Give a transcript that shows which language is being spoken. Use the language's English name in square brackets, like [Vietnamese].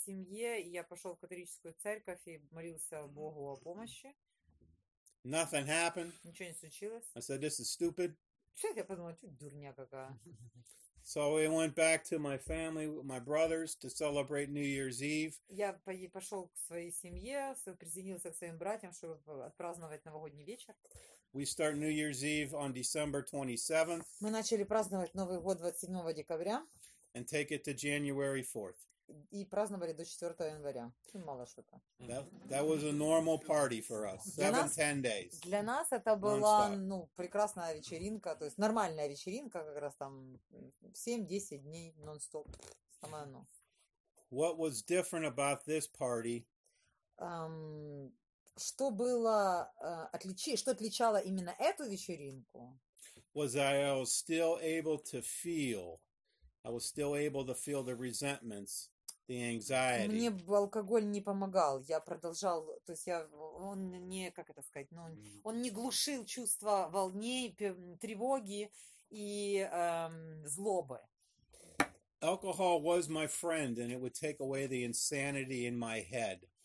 [Russian] семье, и я пошел в католическую церковь и молился Богу о помощи. [English] Nothing happened. [Russian] Ничего не случилось. [English] I said, this is stupid. [Russian] Что я подумала, что дурня какая. [English] So we went back to my family, my brothers, to celebrate New Year's Eve. [Russian] Я пошел к своей семье, присоединился к своим братьям, чтобы отпраздновать новогодний вечер. [English] We start New Year's Eve on December 27th [Russian] Мы начали праздновать Новый год 27 декабря [English] and take it to January 4th. [Russian] и праздновали до 4 января. Очень мало что-то. [English] That was a normal party for us. 7-10 days. [Russian] Для нас это была, ну, прекрасная вечеринка, то есть нормальная вечеринка, как раз там 7-10 дней нон-стоп. Самое оно. [English] What was different about this party? [Russian] Что было, что отличало именно эту вечеринку? [English] Was that I was still able to feel. I was still able to feel the resentments, the anxiety. [Russian] Мне алкоголь не помогал. Я продолжал, то есть я, он не, как это сказать, ну, он не глушил чувства волнений, тревоги и злобы. [English] Alcohol was my friend, and it would take away the insanity in my head.